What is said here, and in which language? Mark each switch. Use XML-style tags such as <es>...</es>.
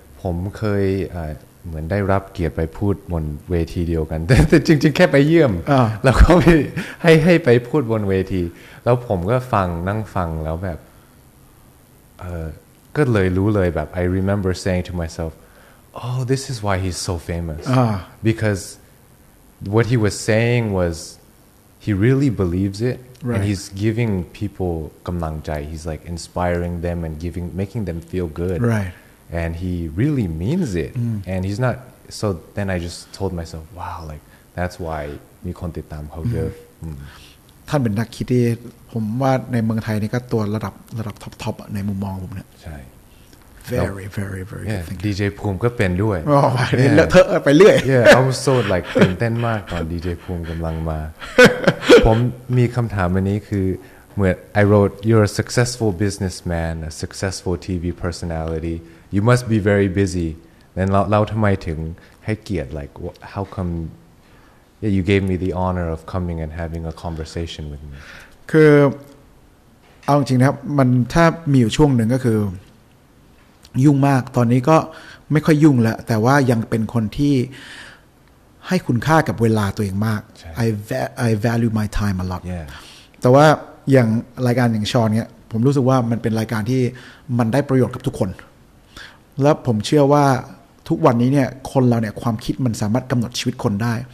<th>ผมเคยเหมือนได้รับเกียรติไปพูดบนเวทีเดียวกันแต่จริงๆแค่ไปเยี่ยมแล้วก็ให้ไปพูดบนเวทีแล้วผมก็ฟังนั่งฟังแล้วแบบก็เลยรู้เลยแบบ</th> <en>I remember saying to myselfOh, this is why he's so famous. Because what he was saying was he really believes it. Right. And he's giving people gamlang jai. He's like inspiring them and making them feel good. Right. And he really means it. Mm. And he's not... So then I just told myself, wow, like, that's why</en> <th>มีคนติดตามเขาเยอะ ท่านเป็นนักคิดที่ผมว่าในเมืองไทยนี่ก็ตัวระดับท็อปๆในมุมมองผมเนี่ย ใช่</th> <en>Very, very, very.</en> <th>Yeah, DJ ภูมิก็เป็นด้วย Oh, เธอไปเรื่อย</th> <en>Yeah, I'm so like</en> <th>ตื่นเต้นมากตอน DJ ภูมิกำลังมาผมมีคำถามอันนี้คือเหมือน</th> <en>I wrote you're a successful businessman, a successful TV personality. You must be very busy. Then</en> <th>เราทำไมถึงให้เกียรติ</th> <en>like how come yeah, you gave me the honor of coming and having a conversation with me?</en> <th>คือเอาจริงนะครับมันถ้ามีอยู่ช่วงหนึ่งก็คือยุ่งมากตอนนี้ก็ไม่ค่อยยุ่งแล้วแต่ว่ายังเป็นคนที่ให้คุณค่ากับเวลาตัวเองมาก</th> <en>I value my time a lot yeah.</en> <th>แต่ว่าอย่างรายการอย่างชอนเนี้ยผมรู้สึกว่ามันเป็นรายการที่มันได้ประโยชน์กับทุกคนแล้วผมเชื่อว่าทุกวันนี้เนี่ยคนเราเนี่ยความคิดมันสามารถกำหนดชีวิตคนได้</th>